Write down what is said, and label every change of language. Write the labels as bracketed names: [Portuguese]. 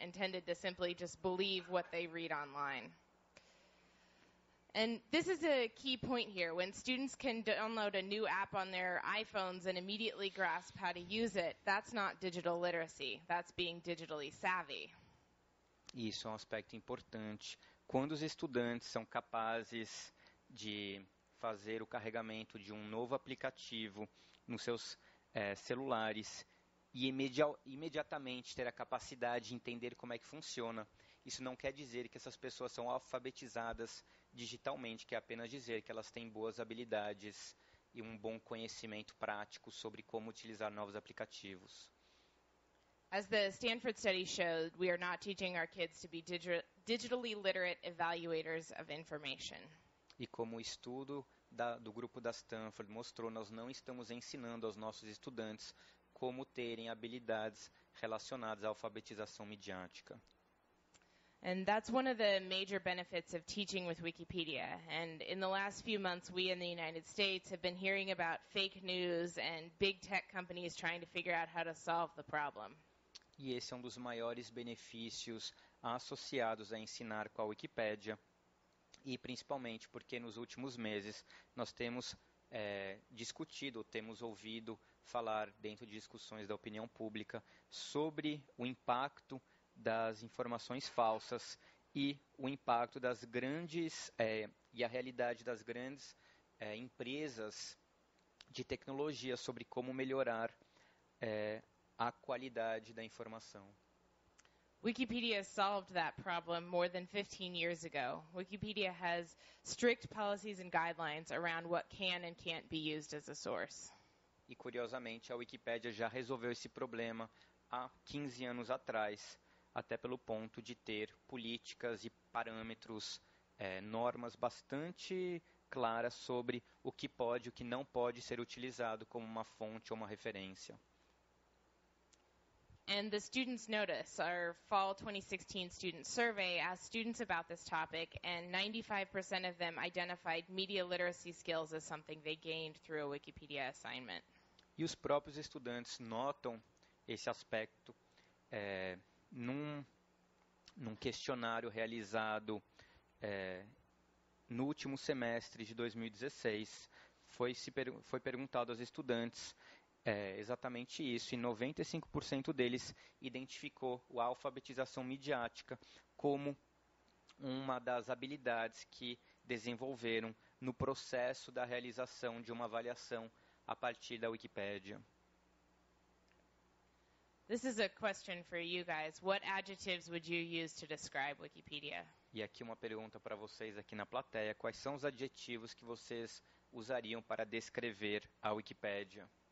[English] Intended to simply just believe what they read online. And this is a key point here. When students can download a new app on their iPhones and immediately grasp how to use it, that's not digital literacy. That's being digitally savvy. [Portuguese] Isso é um aspecto importante. Quando os estudantes são capazes de fazer o carregamento de um novo aplicativo nos seus celulares e imediatamente ter a capacidade de entender como é que funciona, isso não quer dizer que essas pessoas são alfabetizadas digitalmente, quer apenas dizer que elas têm boas habilidades e um bom conhecimento prático sobre como utilizar novos aplicativos. [English] As the Stanford study showed, we are not teaching our kids to be digitally literate evaluators of information. [Portuguese] E como o estudo do grupo da Stanford mostrou, nós não estamos ensinando aos nossos estudantes como terem habilidades relacionadas à alfabetização midiática. [English] And that's one of the major benefits of teaching with Wikipedia. And in the last few months, we in the United States have been hearing about fake news and big tech companies trying to figure out how to solve the problem. [Portuguese] E esse é um dos maiores benefícios associados a ensinar com a Wikipédia, e principalmente porque nos últimos meses nós temos discutido, temos ouvido falar dentro de discussões da opinião pública sobre o impacto das informações falsas e o impacto das grandes, e a realidade das grandes empresas de tecnologia sobre como melhorar a qualidade da informação. [English] Wikipedia solved that problem more than 15 years ago. Wikipedia has strict policies and guidelines around what can and can't be used as a source. [Portuguese] E curiosamente, a Wikipédia já resolveu esse problema há 15 anos atrás, até pelo ponto de ter políticas e parâmetros, normas bastante claras sobre o que pode e o que não pode ser utilizado como uma fonte ou uma referência. [English] And the students notice. Our fall 2016 student survey asked students about this topic, and 95% of them identified media literacy skills as something they gained through a Wikipedia assignment. [Portuguese] E os próprios estudantes notam esse aspecto num questionário realizado no último semestre de 2016. Foi perguntado aos estudantes exatamente isso, e 95% deles identificou a alfabetização midiática como uma das habilidades que desenvolveram no processo da realização de uma avaliação a partir da Wikipédia. [English] This is a question for you guys. What adjectives would you use to describe Wikipedia? [Portuguese] E aqui uma pergunta para vocês aqui na plateia: quais são os adjetivos que vocês usariam para descrever a Wikipédia?